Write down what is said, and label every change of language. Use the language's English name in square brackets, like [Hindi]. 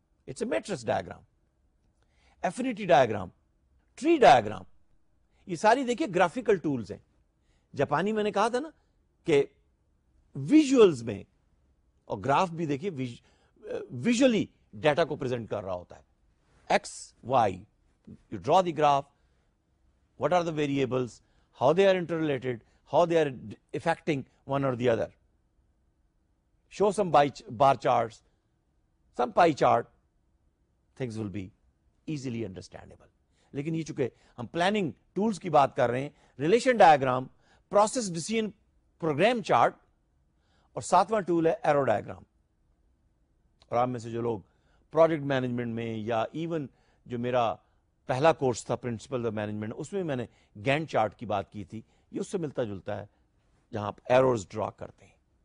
[English] it's a matrix diagram, affinity diagram, tree diagram, [Urdu] یہ ساری دیکھیے گرافیکل ٹولز ہیں. جاپانی میں نے کہا تھا نا کہ ویژولز میں, اور گراف بھی دیکھیے ویژولی ڈیٹا کو پریزنٹ کر رہا ہوتا ہے. [English] X Y, you draw the graph, what are the variables, how they are interrelated, how they are affecting one or the other, show some bar charts, some pie chart, things will be easily understandable. [Urdu] لیکن یہ چونکہ ہم planning tools کی بات کر رہے ہیں, relation diagram, process decision programme chart, اور ساتواں ٹول ہے ایرو ڈائیگرام. اور آپ میں سے جو لوگ پروجیکٹ مینجمنٹ میں, یا ایون جو میرا پہلا کورس تھا پرنسپل آف مینجمنٹ, اس میں میں نے گینٹ چارٹ کی بات کی تھی, یہ اس سے ملتا جلتا ہے جہاں آپ ایروز ڈرا کرتے ہیں.